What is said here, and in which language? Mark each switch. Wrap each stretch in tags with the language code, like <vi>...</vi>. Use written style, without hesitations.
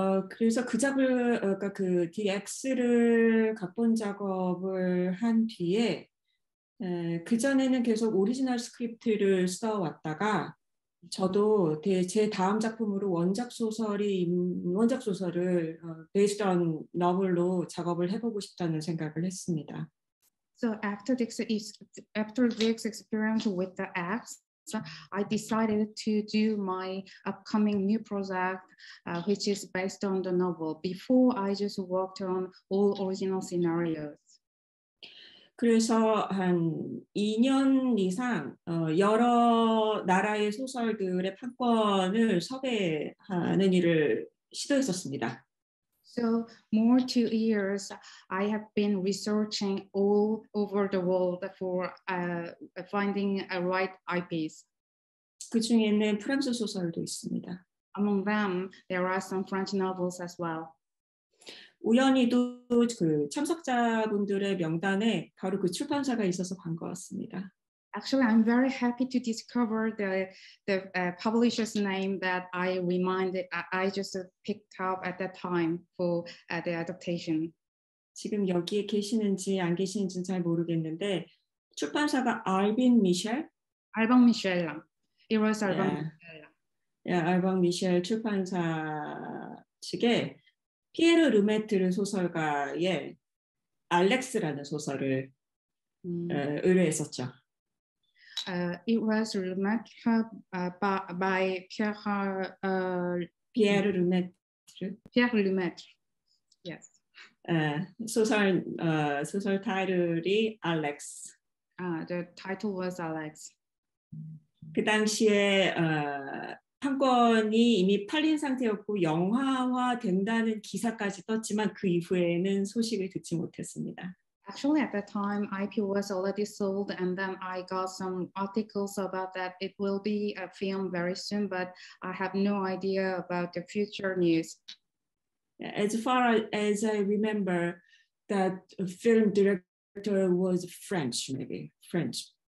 <ko>그래서 그 작업을 그러니까 그 DX를 각본 작업을 한 뒤에 그 전에는 계속 오리지널 스크립트를 써왔다가 저도 제 다음 작품으로 원작 소설이 원작 소설을</ko> <en>based on novel</en> <ko>로 작업을 해보고 싶다는 생각을 했습니다.</ko> <en>So after this experience with the apps. I decided to do my upcoming new project, which is based on the novel. Before, I just worked on all original scenarios.</en> <ko>그래서 한 2년 이상 여러 나라의 소설들의 판권을 섭외하는 일을 시도했었습니다.</ko> <en>So more 2 years, I have been researching all over the world for finding a right IPs.</en> <ko>그 중에는 프랑스 소설도 있습니다.</ko> <en>Among them, there are some French novels as well.</en> <ko>우연히도 그 참석자분들의 명단에 바로 그 출판사가 있어서 반가웠습니다.</ko> <en>Actually, I'm very happy to discover the publisher's name that I just picked up at that time for the adaptation.</en> <ko>지금 여기에 계시는지 안 계시는지는 잘 모르겠는데 출판사가 알빈 미셸?</ko> <en>알방 미셸랑. It was Alban</en> <ko>Michel. Yeah, Alban Michel 출판사 측에 피에르 르메트르 소설가의 알렉스라는 소설을 의뢰했었죠.</ko> <en>It was Lemaitre by Pierre Lemaitre. Pierre Lemaitre. Yes.</en> <ko>소설 타이틀이 Alex.</ko> <en>The title was Alex.</en> <ko>그 당시에 판권이 이미 팔린 상태였고 영화화 된다는 기사까지 떴지만 그 이후에는 소식을 듣지 못했습니다.</ko> <en>Actually, at that time, IP was already sold, and then I got some articles about that it will be a film very soon, but I have no idea about the future news. As far as I remember, that film director was French, maybe French.</en>